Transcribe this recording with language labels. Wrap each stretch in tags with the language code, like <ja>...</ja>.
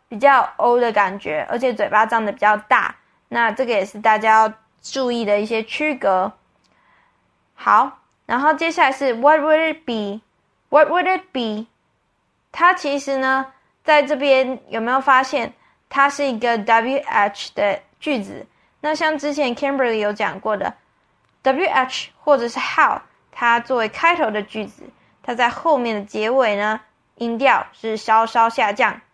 <zh>比较 O 的感觉，而且嘴巴张得比较大，那这个也是大家要注意的一些区隔。好，然后接下来是</zh> <en>What would it be？What would it be？</en> <zh>它其实呢，在这边有没有发现，它是一个 WH 的句子？那像之前 Kimberly 有讲过的，WH 或者是 How，它作为开头的句子，它在后面的结尾呢，音调是稍稍下降。</zh>